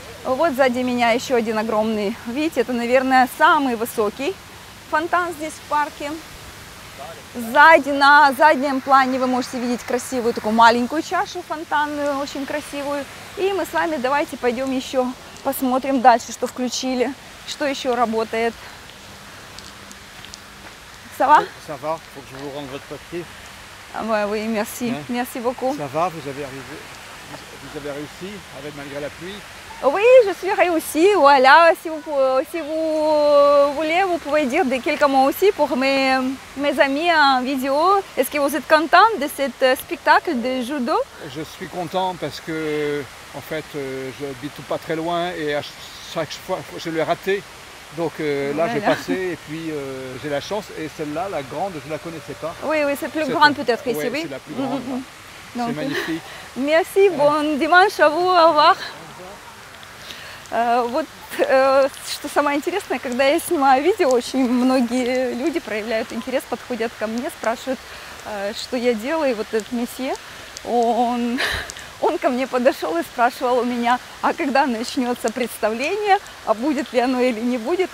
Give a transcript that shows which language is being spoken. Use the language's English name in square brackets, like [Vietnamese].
[Russian] Вот сзади меня еще один огромный. Видите, это, наверное, самый высокий фонтан здесь в парке. Сзади, на заднем плане, вы можете видеть красивую такую маленькую чашу фонтанную, очень красивую. И мы с вами давайте пойдем еще посмотрим дальше, что включили, что еще работает. [French] Ça va? Ça va, faut que je vous rende votre papier. Ah ouais, oui, merci. Hein? Merci beaucoup. Ça va, vous avez réussi avec malgré la pluie. Oui, je suis réussi. Voilà, si vous voulez, vous pouvez dire des quelques mots aussi pour mes amis en vidéo. Est-ce que vous êtes content de ce spectacle de judo? Je suis content parce que en fait, je habite pas très loin et à chaque fois je l'ai raté. Donc là, j'ai passé et puis j'ai la chance. Et celle-là, la grande, je ne la connaissais pas. Oui, oui, c'est la plus grande peut-être ici, oui. C'est la plus grande. Donc, c'est magnifique. Merci, bon dimanche à vous, au revoir. [Russian] Вот что самое интересное, когда я снимаю видео, очень многие люди проявляют интерес, подходят ко мне, спрашивают, что я делаю. И вот этот месье, он ко мне подошел и спрашивал у меня, а когда начнется представление, а будет ли оно или не будет.